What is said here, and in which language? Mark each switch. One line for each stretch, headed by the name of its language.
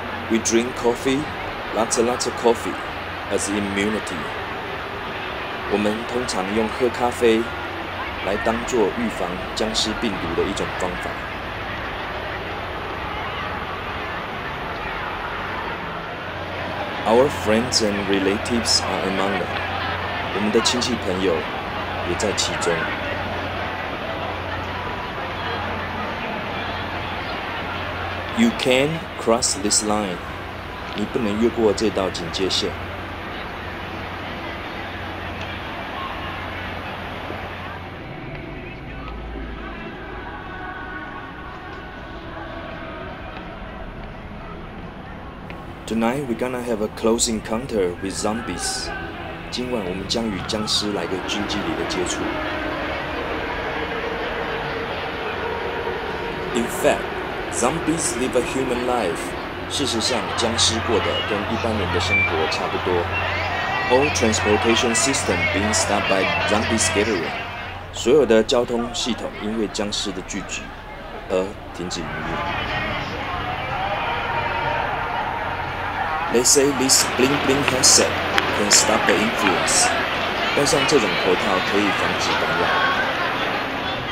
English: We drink coffee, lots and lots of coffee, as immunity.
Chinese: 我们通常用喝咖啡来当作预防僵尸病毒的一种方法。
English: Our friends and relatives are among them.
Chinese: 我们的亲戚朋友也在其中。
English: You can cross this line.
Chinese: 你不能越过这道警戒线。
English: Tonight we're gonna have a close encounter with zombies.
Chinese: 今晚我们将与僵尸来个近距离的接触。
English: In fact, zombies live a human life.
Chinese: 事实上，僵尸过得跟一般人的生活差不多。
English: All transportation system being stopped by zombie scattering.
Chinese: 所有的交通系统因为僵尸的聚集而停止营运。
English: They say this bling bling headset can stop the influence.
Chinese: 戴上这种头套可以防止感染。